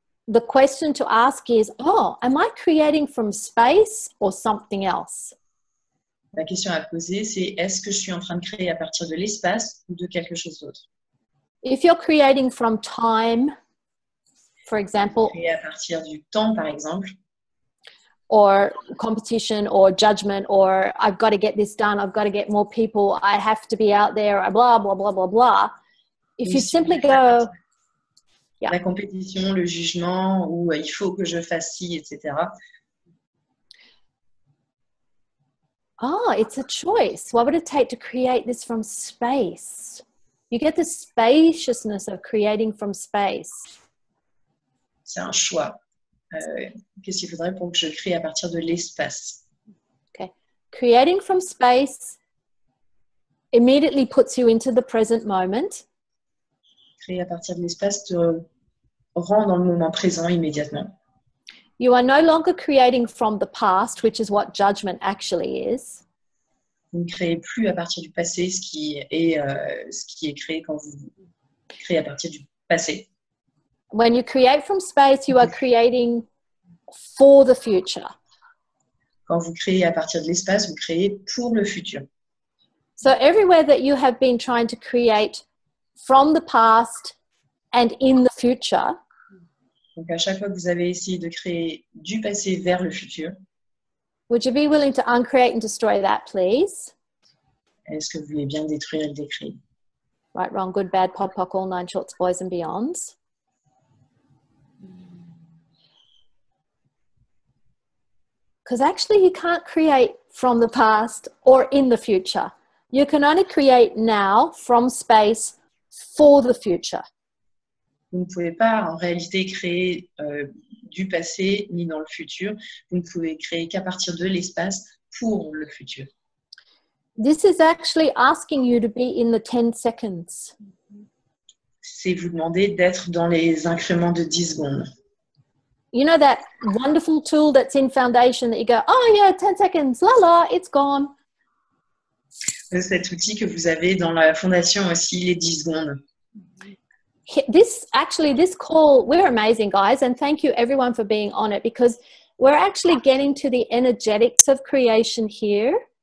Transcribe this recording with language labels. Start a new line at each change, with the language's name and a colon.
English: The question to ask is, am I creating from space or something else?
French: La question à poser, c'est est-ce que je suis en train de créer à partir de l'espace ou de quelque chose d'autre?
English: If you're creating from time, for example,
French: créer à partir du temps, par exemple,
English: or competition or judgment or I've got to get this done, I've got to get more people, I have to be out there, blah, blah, blah, blah, blah. If you simply go... Yeah.
French: La compétition, le jugement, ou il faut que je fasse ci, etc.
English: Oh, it's a choice. What would it take to create this from space? You get the spaciousness of creating from space.
French: C'est un choix. Qu'est-ce qu'il faudrait pour que je crée à partir de l'espace?
English: Okay. Creating from space immediately puts you into the present moment.
French: Créer à partir de l'espace te rend dans le moment présent immédiatement.
English: You are no longer creating from the past, which is what judgment actually is.
French: Vous ne créez plus à partir du passé, ce qui est créé quand vous créez à partir du passé.
English: When you create from space, you are creating for the future.
French: Quand vous créez à partir de l'espace, vous créez pour le futur.
English: So everywhere that you have been trying to create from the past and in the future,
French: donc à chaque fois que vous avez essayé de créer du passé vers le futur,
English: would you be willing to uncreate and destroy that, please?
French: Est-ce que vous voulez bien détruire et le décrire?
English: Right, wrong, good, bad, pop, pop, all nine shorts, boys and beyonds. Because actually you can't create from the past or in the future. You can only create now from space for the future.
French: Vous ne pouvez pas en réalité créer du passé ni dans le futur. Vous ne pouvez créer qu'à partir de l'espace pour le futur.
English: This is actually asking you to be in the 10 seconds.
French: C'est vous demander d'être dans les incréments de 10 secondes.
English: You know that wonderful tool that's in Foundation that you go, oh yeah, 10 seconds, la la, it's gone.
French: Cet outil que vous avez dans la Foundation aussi, les 10 secondes.
English: This call, we're amazing, guys, and thank you everyone for being on it because we're actually getting to the energetics of creation here.